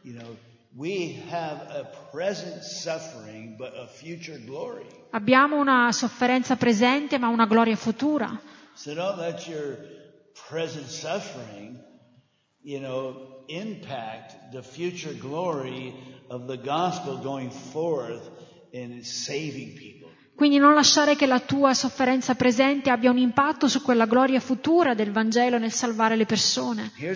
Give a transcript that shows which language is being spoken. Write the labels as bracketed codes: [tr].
[en] You know, we have a present suffering, but a future glory. [it] Abbiamo una sofferenza presente, ma una gloria futura. [en] So don't let your present suffering, you know, impact the future glory of the gospel going forth in saving people. [it] Quindi non lasciare che la tua sofferenza presente abbia un impatto su quella gloria futura del Vangelo nel salvare le persone.